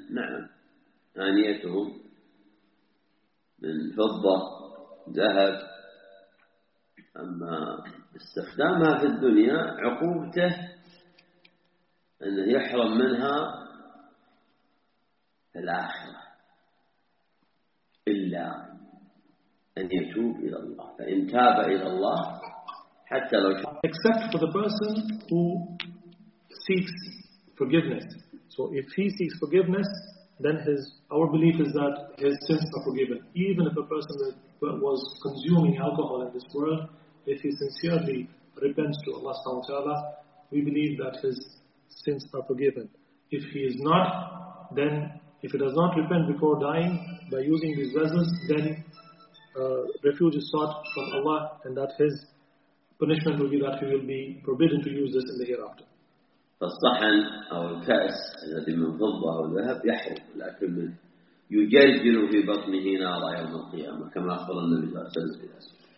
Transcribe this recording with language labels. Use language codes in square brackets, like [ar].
[ar] نعم، آنيتهم من فضة ذهب، أما استخدامها في الدنيا عقوبته أن يحرم منها في الآخرة إلا أن يتوب إلى الله، فإن تاب إلى الله حتى لو [en] except for the person who seeks forgiveness. So if he seeks forgiveness, then our belief is that his sins are forgiven. Even if a person that was consuming alcohol in this world, if he sincerely repents to Allah [ar] subhanahu wa ta'ala, [en] we believe that his sins are forgiven. If he is not, then if he does not repent before dying by using these vessels, then refuge is sought from Allah, and that his punishment will be that he will be forbidden to use this in the hereafter. [ar] فالصحن أو الكأس الذي من فضة أو ذهب يحرق، لكن من يجلجل في بطنه نار يوم القيامة كما أخبر النبي صلى الله عليه وسلم.